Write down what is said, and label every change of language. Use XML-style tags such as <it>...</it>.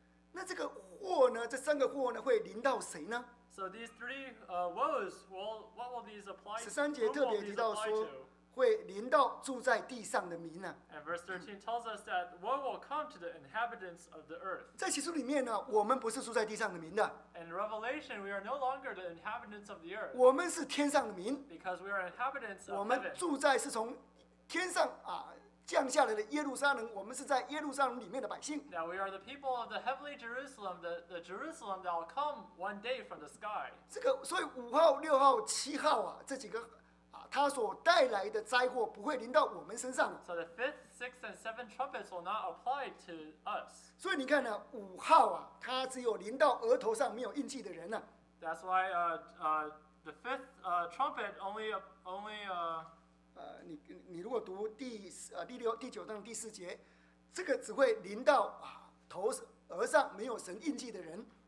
<zh>那这个祸呢？这三个祸呢？会临到谁呢？</zh> <en>So these three woes, well, what will these apply to?</en> <zh>十三节特别提到说。会临到住在地上的民呢、啊、</zh> <en>？And verse 13 tells us that woe will come to the inhabitants of the earth.</en> <zh>在启示里面呢，我们不是住在地上的民的。</zh> <en>In Revelation, we are no longer the inhabitants of the earth.</en> <zh>我们是天上的民。</zh> <en>Because we are inhabitants of heaven.</en> <zh>我们住在是从天上啊降下来的耶路撒冷，我们是在耶路撒冷里面的百姓。</zh> <en>Now we are the people of the heavenly Jerusalem, the Jerusalem that will come one day from the sky.</en> <zh>这个，所以五号、六号、七号啊，这几个。他所带来的灾祸不会临到我们身上。</zh> <en>So the fifth, sixth, and seventh trumpets will not apply to us.</en> <zh>所以你看呢，五号啊，它只有临到额头上没有印记的人呢、啊。</zh> <en>That's why the fifth trumpet only</en> <zh>你如果读第九章第四节，这个只会临到啊头额上没有神印记的人。</zh>